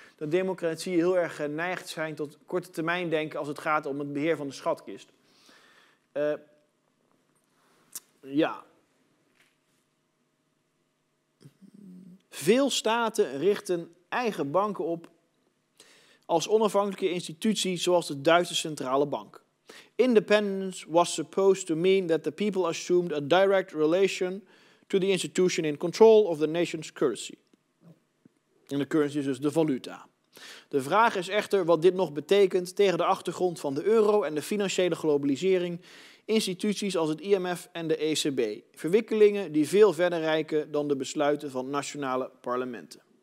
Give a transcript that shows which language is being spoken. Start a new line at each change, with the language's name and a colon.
Dutch: Dat democratieën heel erg geneigd zijn tot korte termijn denken als het gaat om het beheer van de schatkist. Veel staten richten eigen banken op als onafhankelijke institutie zoals de Duitse Centrale Bank.
English: Independence was supposed to mean that the people assumed a direct relation to the institution in control of the nation's currency.
Dutch: En de currency is dus de valuta. De vraag is echter wat dit nog betekent tegen de achtergrond van de euro en de financiële globalisering. Instituties als het IMF en de ECB. Verwikkelingen die veel verder reiken dan de besluiten van nationale parlementen.